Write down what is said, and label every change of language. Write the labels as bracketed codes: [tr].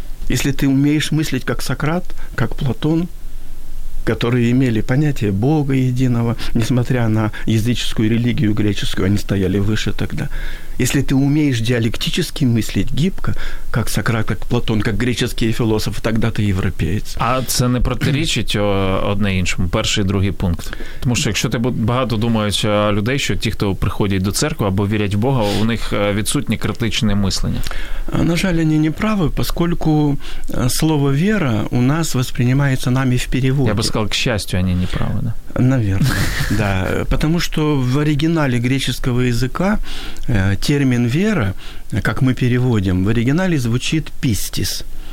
[ru] Если ты умеешь мыслить как Сократ, как Платон, которые имели понятие Бога единого, несмотря на языческую религию греческую, они стояли выше тогда. Если ты умеешь диалектически мыслить гибко, как Сократ, как Платон, как греческие философы, тогда ты европеец. [uk] А це не протирічить одне іншому, перший і другий пункт? Тому що якщо ти багато думаєш людей, що ті, хто приходять до церкви або вірять в Бога, у них відсутнє критичне мислення. На жаль, [ru] они не правы, поскольку слово «вера» у нас воспринимается нами в переводе. Я бы сказал, к счастью, они не правы, да? Наверное, да. Потому что в оригинале греческого языка термин «вера», как мы переводим, в оригинале звучит «пистис».